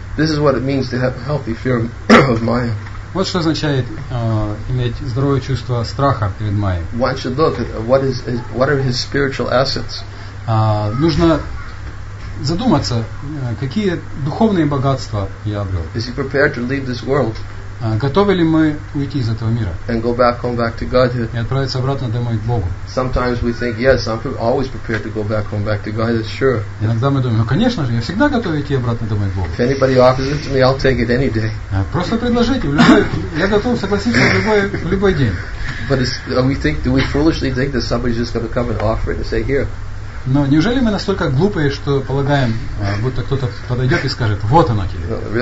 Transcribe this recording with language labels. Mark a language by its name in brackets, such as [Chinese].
[English] This is what it means to have a healthy fear of Maya. [Russian] Вот что означает иметь здоровое чувство страха перед Майей. [English] One should look at what are his spiritual assets. [Russian] Нужно задуматься, какие духовные богатства я обрел. [English] Is he prepared to leave this world? [Russian] Готовы ли мы уйти из этого мира? [English] And go back home back to Godhead. [Russian] И отправиться обратно домой к Богу. [English] Sometimes we think, yes, I'm always prepared to go back home back to Godhead. Sure. [Russian] Иногда мы думаем, ну конечно же, я всегда готов идти обратно домой к Богу. [English] If anybody offers it to me, I'll take it any day. [Russian] Просто предложите, я готов согласиться в любой день. [English] But do we foolishly think that somebody's just going to come and offer it and say here? [Russian] Но неужели мы настолько глупые, что полагаем, будто кто-то подойдет и скажет, вот оно тебе?